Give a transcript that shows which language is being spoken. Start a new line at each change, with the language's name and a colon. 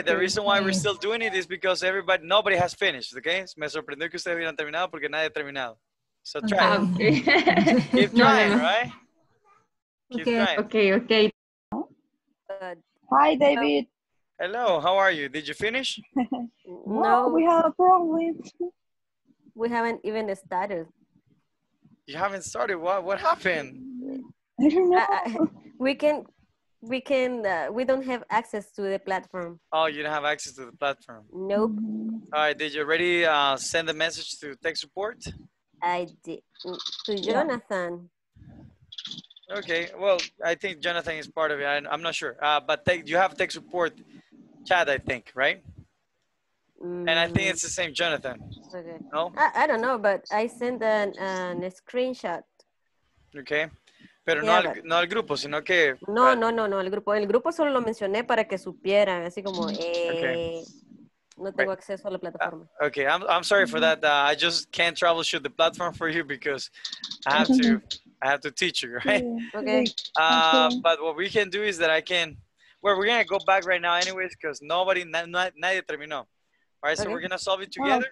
English: Okay. The reason why we're still doing it is because nobody has finished. Okay.
Spanish: Me sorprendió que ustedes hubieran terminado porque nadie ha terminado.
English: So try. Okay. Keep trying, right? Okay. Hi, David. Hello. How are you? Did you finish? No, we have a problem. We haven't even started. You haven't started? What happened? I don't know. We don't have access to the platform. Oh, you don't have access to the platform? Nope. All right, did you already send the message to tech support? I did. To Jonathan. Okay, well, I think Jonathan is part of it. I'm not sure. But you have tech support chat, I think, right? And I think it's the same Jonathan. Okay. No? I don't know, but I sent a screenshot.
Spanish: Okay. Pero yeah, no al grupo, sino que... No, al grupo. El grupo solo lo mencioné para que supieran, así como... No tengo acceso a la plataforma.
English: Okay, I'm sorry for that. I just can't troubleshoot the platform for you because I have to teach you, right? Okay. But what we can do is that I can... Well, we're going to go back right now anyways because nobody...
Spanish: Nadie terminó.
English: All right, okay. So we're going to solve it together.